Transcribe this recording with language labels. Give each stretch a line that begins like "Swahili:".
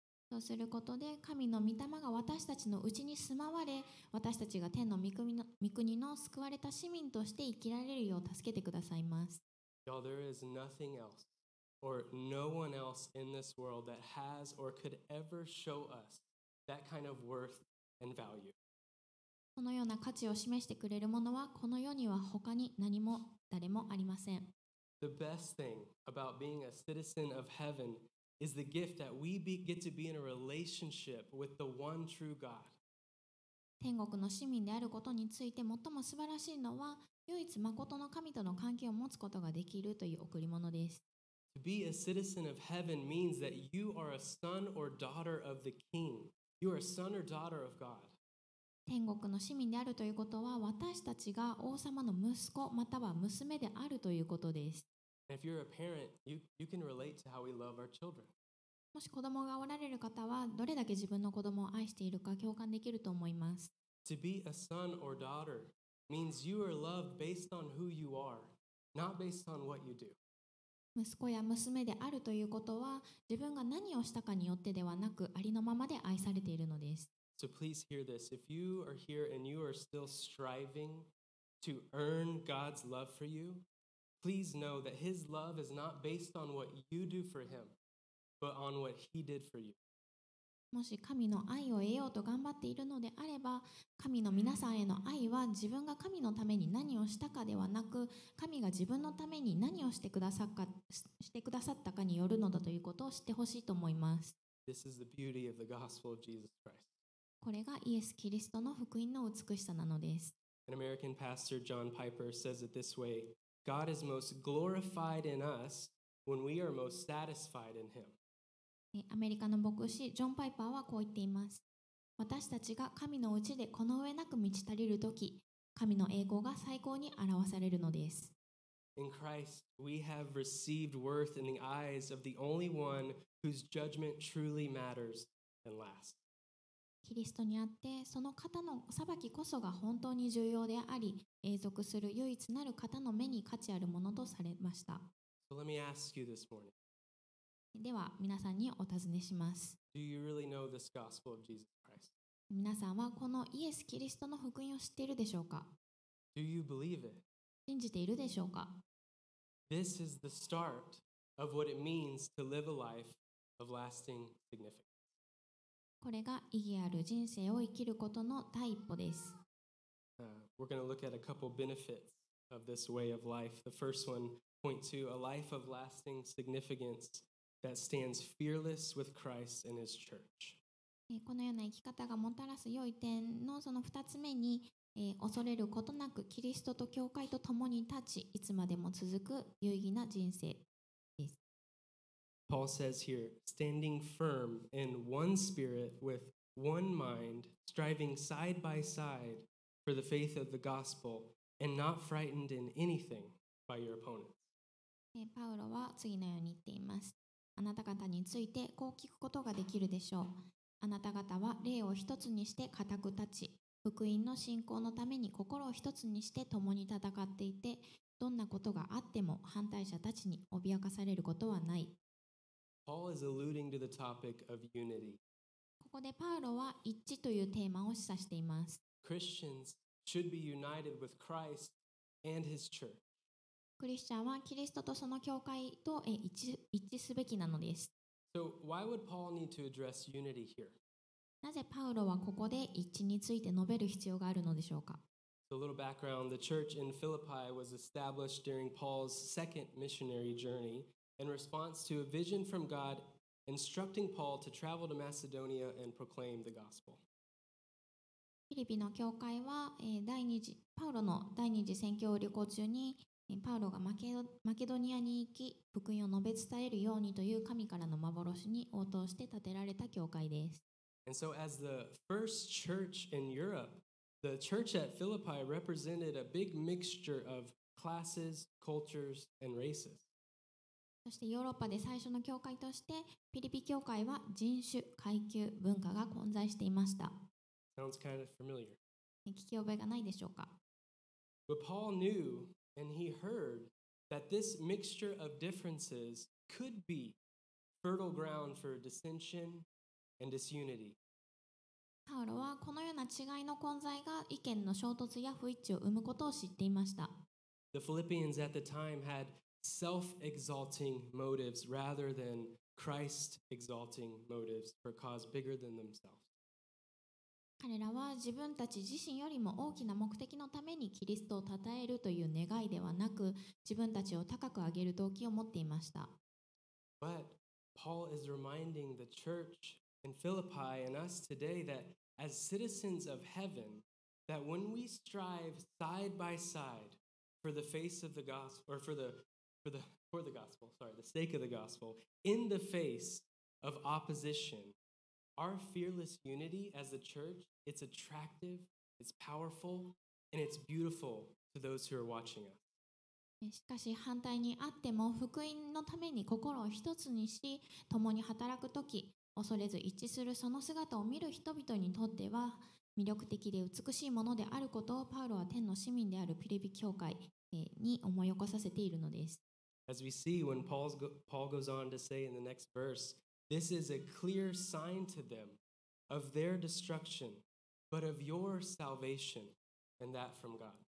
Japanese: そうすることで、神の御霊が私たちのうちに住まわれ、私たちが天の御国の救われた市民として生きられるよう助けてくださいます。
English: Y'all, there is nothing else. Or no one else in this world that has or could ever show us that kind of worth and value.
Japanese: このような価値を示してくれるものはこの世には他に何も誰もありません。
English: The best thing about being a citizen of heaven is the gift that we get to be in a relationship with the one true God.
Japanese: 天国の市民であることについて最も素晴らしいのは、唯一真の神との関係を持つことができるという贈り物です。
English: To be a citizen of heaven means that you are a son or daughter of the king. You are a son or daughter of God.
Japanese: 天国の市民であるということは、私たちが王様の息子または娘であるということです。
English: If you're a parent, you can relate to how we love our children.
Japanese: もし子供がおられる方は、どれだけ自分の子供を愛しているか共感できると思います。
English: To be a son or daughter means you are loved based on who you are, not based on what you do.
Japanese: 息子や娘であるということは、自分が何をしたかによってではなく、ありのままで愛されているのです。
English: So please hear this. If you are here and you are still striving to earn God's love for you, please know that His love is not based on what you do for Him, but on what He did for you.
Japanese: もし神の愛を得ようと頑張っているのであれば、神の皆さんへの愛は自分が神のために何をしたかではなく、神が自分のために何をしてくださったかによるのだということを知ってほしいと思います。
English: This is the beauty of the gospel of Jesus Christ.
Japanese: これがイエス・キリストの福音の美しさなのです。
English: An American pastor, John Piper, says it this way: God is most glorified in us when we are most satisfied in Him.
Japanese: アメリカの牧師ジョン・パイパーはこう言っています。私たちが神のうちでこの上なく満ち足りるとき、神の栄光が最高に表されるのです。
English: In Christ, we have received worth in the eyes of the only one whose judgment truly matters and lasts.
Japanese: キリストにあって、その方の裁きこそが本当に重要であり、永続する唯一なる方の目に価値あるものとされました。
English: So let me ask you this morning.
Japanese: では皆さんにお尋ねします。
English: Do you really know this gospel of Jesus Christ?
Japanese: 皆さんはこのイエス・キリストの福音を知っているでしょうか？
English: Do you believe it?
Japanese: 信じているでしょうか？
English: This is the start of what it means to live a life of lasting significance.
Japanese: これが意義ある人生を生きることの第一歩です。
English: We're going to look at a couple benefits of this way of life. The first one, point two, a life of lasting significance that stands fearless with Christ and His church.
Japanese: このような生き方がもたらす良い点のその二つ目に、恐れることなくキリストと教会と共に立ち、いつまでも続く有意義な人生です。
English: Paul says here, standing firm in one spirit with one mind, striving side by side for the faith of the gospel, and not frightened in anything by your opponents.
Japanese: パウロは次のように言っています。あなた方についてこう聞くことができるでしょう。あなた方は霊を一つにして固く立ち、福音の信仰のために心を一つにして共に戦っていて、どんなことがあっても反対者たちに脅かされることはない。
English: Paul is alluding to the topic of unity.
Japanese: ここでパウロは一致というテーマを示唆しています。
English: Christians should be united with Christ and His church.
Japanese: クリスチャンはキリストとその教会と一致すべきなのです。
English: So why would Paul need to address unity here?
Japanese: なぜパウロはここで一致について述べる必要があるのでしょうか?
English: So a little background, the church in Philippi was established during Paul's second missionary journey in response to a vision from God instructing Paul to travel to Macedonia and proclaim the gospel.
Japanese: フィリピの教会は パウロの第二次宣教旅行中にパウロがマケドニアに行き福音を述べ伝えるようにという神からの幻に応答して建てられた教会です。
English: And so as the first church in Europe, the church at Philippi represented a big mixture of classes, cultures, and races.
Japanese: そしてヨーロッパで最初の教会としてピリピ教会は人種、階級、文化が混在していました。
English: Sounds kind of familiar.
Japanese: 聞き覚えがないでしょうか?
English: But Paul knewAnd he heard that this mixture of differences could be fertile ground for dissension and disunity.
Japanese: パウロはこのような違いの混在が意見の衝突や不一致を生むことを知っていました。
English: The Philippians at the time had self-exalting motives rather than Christ-exalting motives for a cause bigger than themselves.
Japanese: 彼らは自分たち自身よりも大きな目的のためにキリストを称えるという願いではなく、自分たちを高く上げる動機を持っていました。
English: But Paul is reminding the church in Philippi and us today that as citizens of heaven, that when we strive side by side for the face of the gospel, or the sake of the gospel, in the face of opposition,Our fearless unity as a church, it's attractive, it's powerful, and it's beautiful to those who are watching us.
Japanese: しかし反対にあっても福音のために心を一つにし共に働くとき恐れず一致するその姿を見る人々にとっては魅力的で美しいものであることをパウロは天の市民であるピリピ教会に思い起こさせているのです。
English: As we see when Paul goes on to say in the next verse,This is a clear sign to them of their destruction, but of your salvation, and that from God.